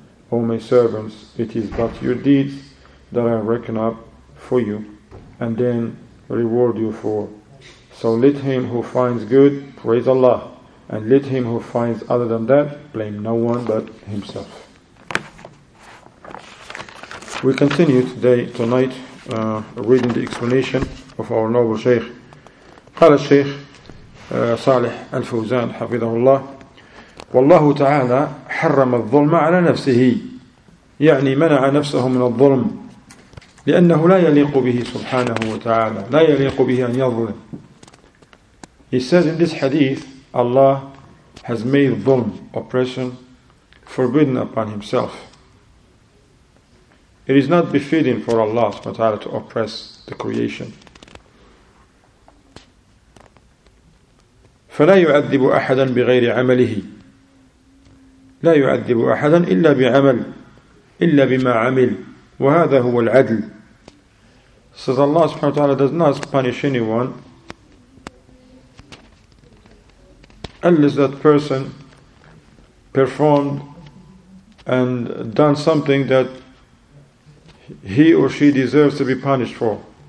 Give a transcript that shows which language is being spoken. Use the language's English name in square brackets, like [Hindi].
[English] O my servants, it is but your deeds that I reckon up for you, and then reward you for. So let him who finds good praise Allah, and let him who finds other than that blame no one but himself. We continue today, tonight, reading the explanation of our noble Shaykh. [Arabic] Qala Shaykh Salih Al-Fawzan Hafidhahullah, Wallahu ta'ala harrama al-dhulma ala nafsihi, يعني منع نفسه من الظلم لأنه لا يليق به سبحانه وتعالى لا يليق به أن يظلم. [English] He says in this hadith, Allah has made dhulm, oppression, forbidden upon himself. It is not befitting for Allah subhanahu wa ta'ala to oppress the creation. [Arabic] فلا يعذب أحدا بغير عمله لا يعذب أحدا إلا بعمل إلا بما عمل وهذا هو العدل. [English] Says Allah subhanahu wa ta'ala does not punish anyone unless that person performed and done something that he or she deserves to be punished for.